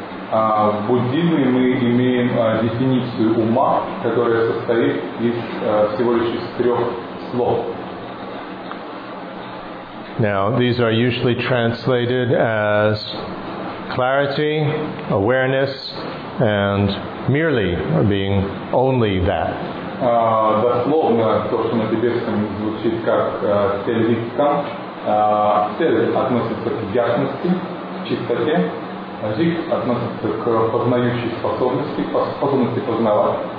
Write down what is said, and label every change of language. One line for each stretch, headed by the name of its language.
Russian: В буддизме мы имеем дефиницию ума, которая состоит из всего лишь из трех слов.
English: Now, these are usually translated as clarity, awareness, and merely, or being only that.
Russian: Дословно, то, что на тибетском звучит как телитка, тел относится к ясности, к чистоте. Зик относится к познающей способности, способности познавать.